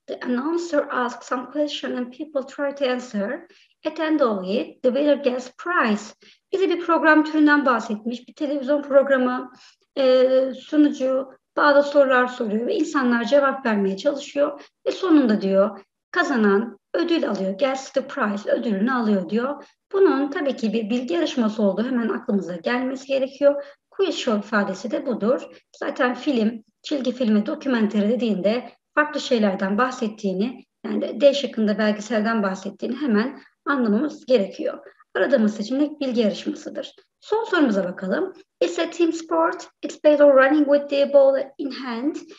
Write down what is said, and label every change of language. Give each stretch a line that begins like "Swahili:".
English: The announcer asks some question and people try to answer. At end of it, the winner gets prize.
Turkish: Bize bir program türünden bahsetmiş. Bir televizyon programı sunucu bazı sorular soruyor ve insanlar cevap vermeye çalışıyor. Ve sonunda diyor kazanan ödül alıyor.
English: Gets the prize
Turkish: ödülünü alıyor diyor. Bunun tabii ki bir bilgi yarışması olduğu hemen aklımıza gelmesi gerekiyor. Quiz show ifadesi de budur. Zaten film, çizgi filmi, dokumenteri dediğinde farklı şeylerden bahsettiğini, yani D şıkkında belgeselden bahsettiğini hemen anlamamız gerekiyor. Aradığımız seçenek bilgi yarışmasıdır. Son sorumuza bakalım.
English: It's a team sport. It's based on running with the ball in hand.